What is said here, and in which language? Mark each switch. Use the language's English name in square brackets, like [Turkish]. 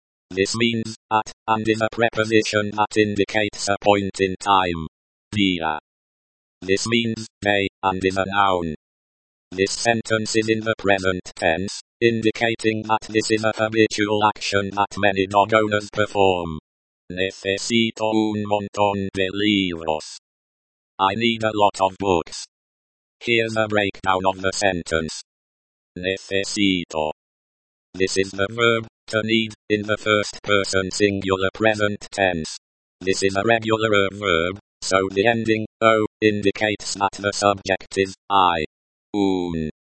[English] This means at, and is a preposition that indicates a point in time, dia. This means day, and is a noun. This sentence is in the present tense, indicating that this is a habitual action that many dog owners perform. [Spanish] Necesito un montón de libros. [English] I need a lot of books. Here's a breakdown of the sentence. Necesito. This is the verb, to need, in the first person singular present tense. This is a regular verb, so the ending, o, indicates that the subject is, I. Un.